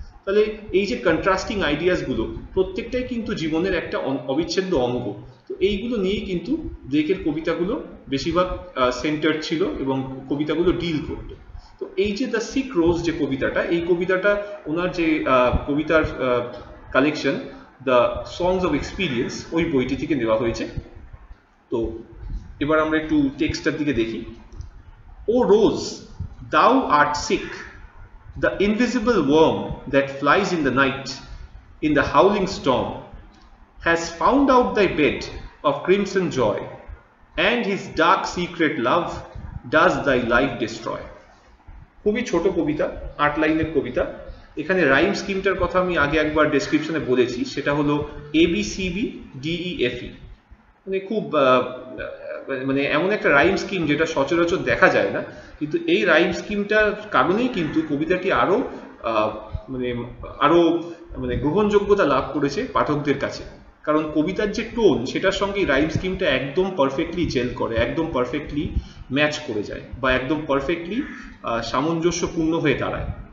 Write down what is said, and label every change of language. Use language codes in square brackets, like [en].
[bn] তাহলে এই যে কন্ট্রাস্টিং আইডিয়াসগুলো প্রত্যেকটাই কিন্তু জীবনের একটা অবিচ্ছেদ্য অঙ্গ, তো এইগুলো নিয়ে কিন্তু ব্লেকের কবিতাগুলো বেশিরভাগ সেন্টার ছিল এবং কবিতাগুলো ডিল করত। তো এই যে দ্য সিক রোজ যে কবিতাটা, এই কবিতাটা ওনার যে কবিতার collection the songs of experience, ওই বইটি থেকে নেওয়া হয়েছে। তো এবার আমরা একটু টেক্সটার দিকে দেখি। [en] O rose, thou art sick, the invisible worm that flies in the night, in the howling storm, has found out thy bed of crimson joy, and his dark secret love does thy life destroy. [bn] খুবই ছোট কবিতা, আট লাইনের কবিতা। এখানে rhyme স্কিমটার কথা আমি আগে একবার ডেসক্রিপশনে বলেছি, সেটা হলো ABCBDEFE, মানে খুব মানে এমন একটা রাইম স্কিম যেটা সচরাচর দেখা যায় না, কিন্তু এই রাইম স্কিমটার কারণেই কিন্তু কবিতাটি আরো মানে আরো মানে গ্রহণযোগ্যতা লাভ করেছে পাঠকদের কাছে, কারণ কবিতার যে টোন সেটার সঙ্গে রাইম স্কিমটা একদম পারফেক্টলি জেল করে, একদম পারফেক্টলি ম্যাচ করে যায় বা একদম পারফেক্টলি সামঞ্জস্যপূর্ণ হয়ে দাঁড়ায়।